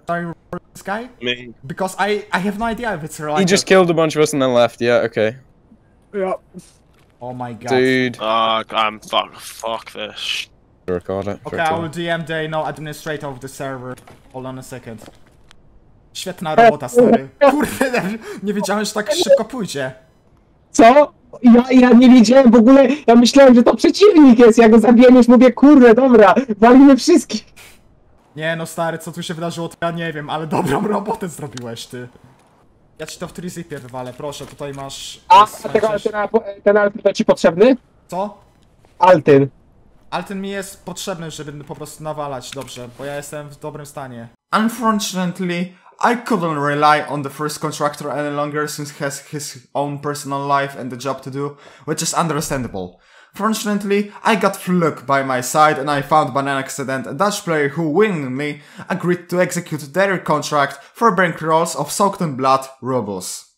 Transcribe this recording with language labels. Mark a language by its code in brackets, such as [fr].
[en] Should I report this guy? Me. Because I have no idea if it's real. He just killed a bunch of us and then left. Yeah, okay. Yep. Oh my god. Dude. Fuck this. Record it. Okay, I will DM the administrator of the server. Hold on a second. [pl] Świetna robota, stary. Kurde, nie wiedziałem, że tak szybko pójdzie. Co? Ja nie wiedziałem w ogóle, ja myślałem, że to przeciwnik jest, ja go zabiłem, już mówię, kurde, dobra, walimy wszystkich. Nie no, stary, co tu się wydarzyło, to ja nie wiem, ale dobrą robotę zrobiłeś, ty. Ja ci to w 3-zipie wywalę, proszę, tutaj masz... Ten Altyn to ci potrzebny? Co? Altyn mi jest potrzebny, żeby po prostu nawalać dobrze, bo ja jestem w dobrym stanie. [en] Unfortunately, I couldn't rely on the first contractor any longer since he has his own personal life and the job to do, which is understandable. Fortunately, I got Fluke by my side and I found by an accident a Dutch player who willingly agreed to execute their contract for bankrolls of soaked in blood rubles.